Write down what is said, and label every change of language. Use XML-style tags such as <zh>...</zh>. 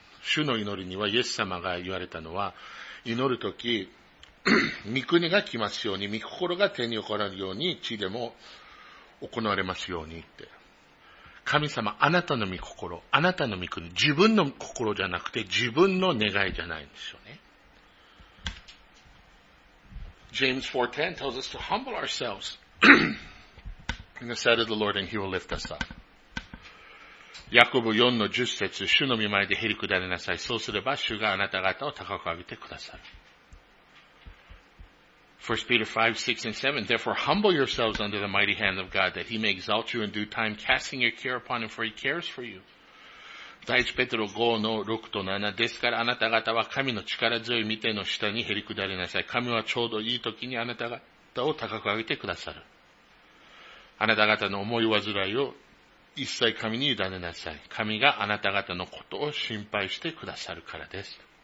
<ja>主の祈りには、イエス様が言われたのは、祈るとき、御国が来ますように、御心が天に起こらるように、地でも行われますようにって。神様、あなたの御心、あなたの御国、自分の心じゃなくて、自分の願いじゃないんですよね。</ja> <en>James 4:10 tells us to humble ourselves in the sight of the Lord and he will lift us up.</en> <ja>ヤコブ 4:10 節、主の御前でへりくだりなさい。そうすれば主があなた方を高く上げてくださる。</ja> <en>1 Peter 5:6-7, Therefore humble yourselves under the mighty hand of God that he may exalt you in due time, casting your care upon him for he cares for you.</en> <ja>第1ペテロ 5:6-7 ですからあなた方は神の力強い御手の下にへりくだりなさい。神はちょうどいい時にあなた方を高く上げてくださる。あなた方の思い煩いを一切神に委ねなさい。神があなた方のことを心配してくださるからです。</ja>